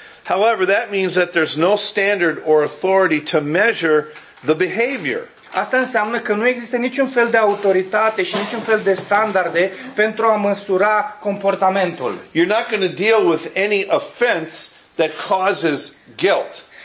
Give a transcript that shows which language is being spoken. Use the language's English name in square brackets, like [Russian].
[English] However, that means that there's no standard or authority to measure the behavior. [Romanian] Asta înseamnă că nu există niciun fel de autoritate și niciun fel de standarde pentru a măsura comportamentul. [English] You're not going to deal with any offense that causes guilt.